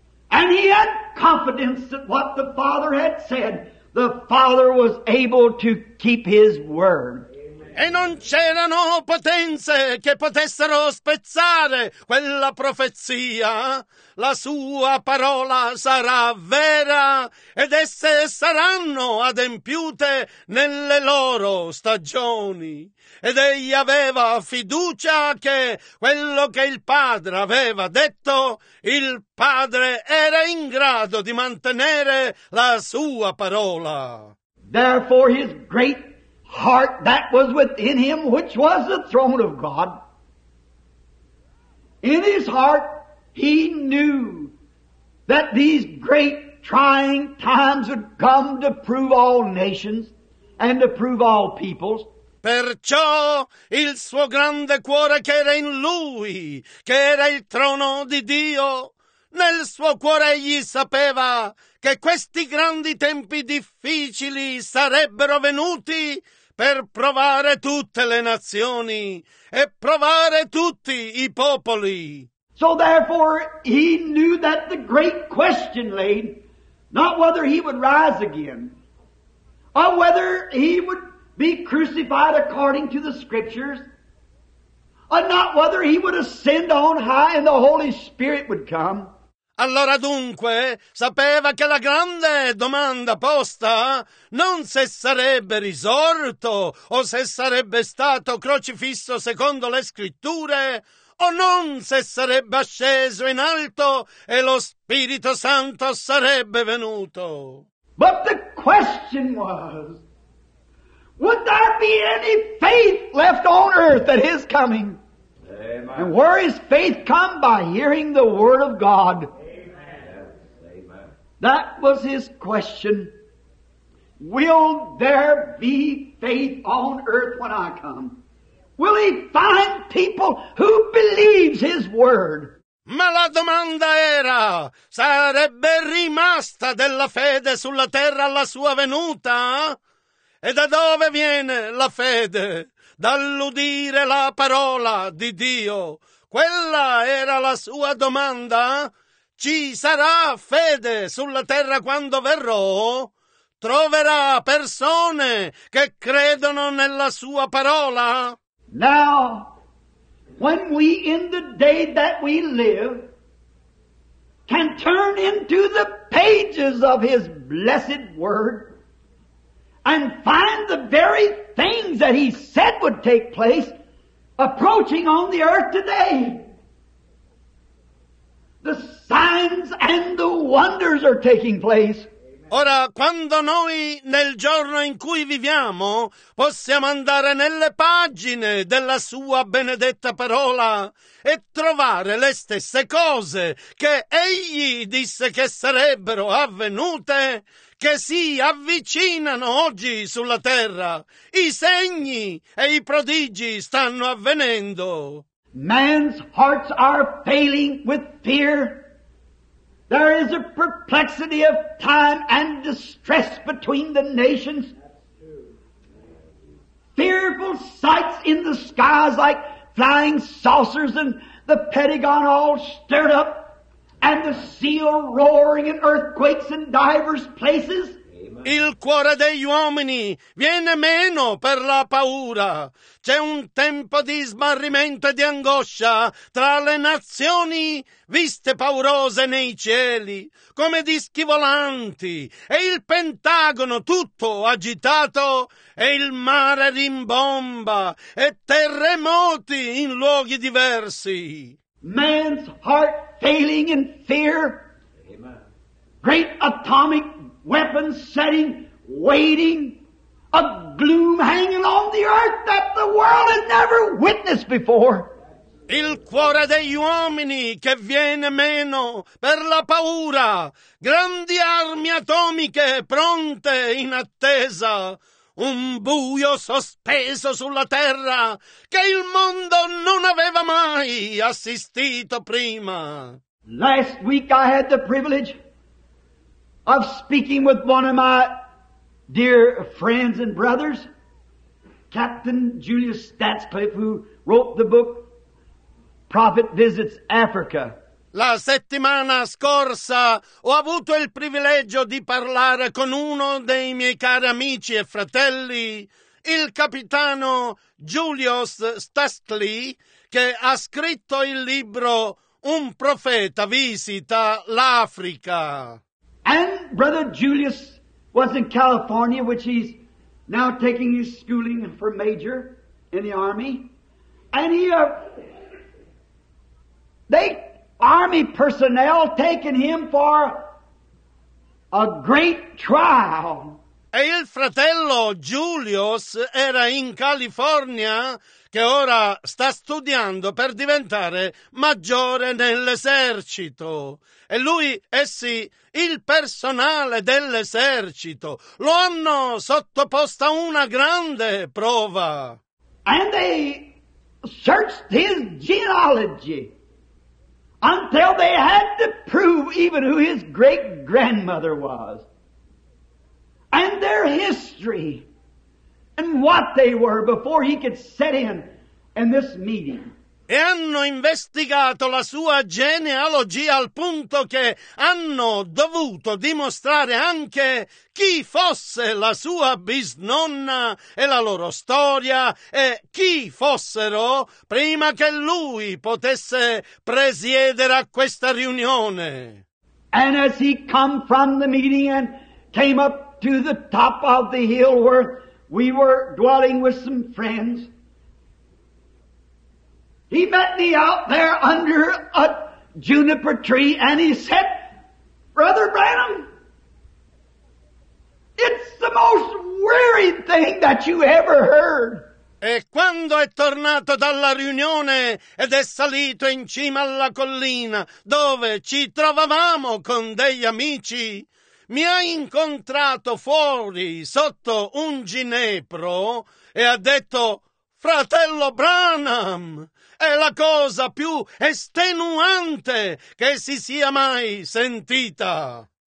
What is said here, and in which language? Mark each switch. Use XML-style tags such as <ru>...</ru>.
<en>And he had confidence that what the Father had said, the Father was able to keep his word.</en> <it>E non c'erano potenze che potessero spezzare quella profezia. La sua parola sarà vera ed esse saranno adempiute nelle loro stagioni. Ed egli aveva fiducia che quello che il Padre aveva detto, il Padre era in grado di mantenere la sua parola.</it> <en>Therefore his great heart that was within him, which was the throne of God. In his heart, he knew that these great trying times would come to prove all nations and to prove all peoples.</en> <it>Perciò il suo grande cuore che era in lui, che era il trono di Dio, nel suo cuore egli sapeva che questi grandi tempi difficili sarebbero venuti per provare tutte le nazioni e provare tutti i popoli.</it> <en>So therefore he knew that the great question lay not whether he would rise again, or whether he would be crucified according to the scriptures, or not whether he would ascend on high and the Holy Spirit would come.</en> <it>Allora dunque sapeva che la grande domanda posta non se sarebbe risorto o se sarebbe stato crocifisso secondo le scritture o non se sarebbe asceso in alto e lo Spirito Santo sarebbe venuto.</it> <en>But the question was, would there be any faith left on earth at his coming? Amen. And where is faith come by hearing the word of God? That was his question. Will there be faith on earth when I come? Will he find people who believes his word?</en> <it>Ma la domanda era, sarebbe rimasta della fede sulla terra alla sua venuta? E da dove viene la fede? Dall'udire la parola di Dio. Quella era la sua domanda. Ci sarà fede sulla terra quando verrò? Troverà persone che credono nella sua parola?</it> <en>Now, when we in the day that we live can turn into the pages of His blessed Word and find the very things that He said would take place approaching on the earth today. The signs and the wonders are taking place.</en> <it>Ora, quando noi nel giorno in cui viviamo possiamo andare nelle pagine della Sua benedetta parola e trovare le stesse cose che Egli disse che sarebbero avvenute, che si avvicinano oggi sulla terra, i segni e i prodigi stanno avvenendo.</it> <en>Man's hearts are failing with fear. There is a perplexity of time and distress between the nations. Fearful sights in the skies like flying saucers and the Pentagon all stirred up and the seal roaring in earthquakes in diverse places.</en> <it>Il cuore degli uomini viene meno per la paura. C'è un tempo di smarrimento e di angoscia tra le nazioni viste paurose nei cieli, come dischi volanti, e il Pentagono tutto agitato, e il mare rimbomba, e terremoti in luoghi diversi.</it> <en>Man's heart failing in fear. Amen. Great atomic weapons setting, waiting, a gloom hanging on the earth that the world had never witnessed before.</en> <it>Il cuore degli uomini che viene meno per la paura, grandi armi atomiche pronte in attesa, un buio sospeso sulla terra che il mondo non aveva mai assistito prima.</it> <en>Last week I had the privilege of speaking with one of my dear friends and brothers, Captain Julius Statscliffe, who wrote the book Prophet Visits Africa.</en> <it>La settimana scorsa ho avuto il privilegio di parlare con uno dei miei cari amici e fratelli, il capitano Julius Statscliffe, che ha scritto il libro Un profeta visita l'Africa.</it> <en>And Brother Julius was in California, which he's now taking his schooling for major in the Army. And they Army personnel taken him for a great trial.</en> <it>E il fratello Julius era in California, che ora sta studiando per diventare maggiore nell'esercito. E lui, essi, il personale dell'esercito, lo hanno sottoposto a una grande prova.</it> <en>And they searched his genealogy until they had to prove even who his great-grandmother was. And their history, and what they were before he could set in this meeting.</en> <it>E hanno investigato la sua genealogia al punto che hanno dovuto dimostrare anche chi fosse la sua bisnonna e la loro storia e chi fossero prima che lui potesse presiedere a questa riunione.</it> <en>And as he come from the meeting and came up to the top of the hill where we were dwelling with some friends, he met me out there under a juniper tree and he said, Brother Branham, it's the most weary thing that you ever heard.</en> <it>E quando è tornato dalla riunione ed è salito in cima alla collina dove ci trovavamo con degli amici, mi ha incontrato fuori sotto un ginepro e ha detto, Fratello Branham, è la cosa più estenuante che si sia mai sentita.</it>